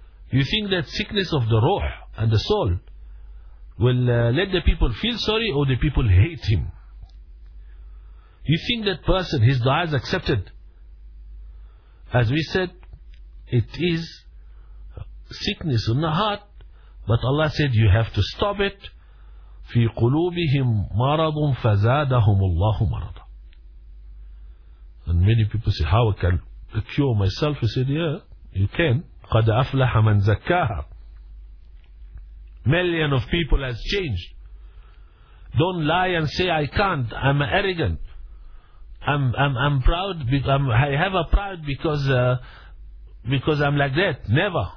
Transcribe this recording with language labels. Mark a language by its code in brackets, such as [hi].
[en] You think that sickness of the ruh and the soul will let the people feel sorry, or the people hate him? You think that person, his dua is accepted? As we said, it is sickness in the heart, but Allah said you have to stop it. [ar] في قلوبهم مرض فزادهم الله مرضا. [en] And many people say, how I can cure myself? He said, yeah, you can. [ar] قَدْ أَفْلَحَ مَنْ زَكَّاهَا. [en] Million of people has changed. Don't lie and say, I can't, I'm arrogant. I'm proud, I have a pride because I'm like that. Never.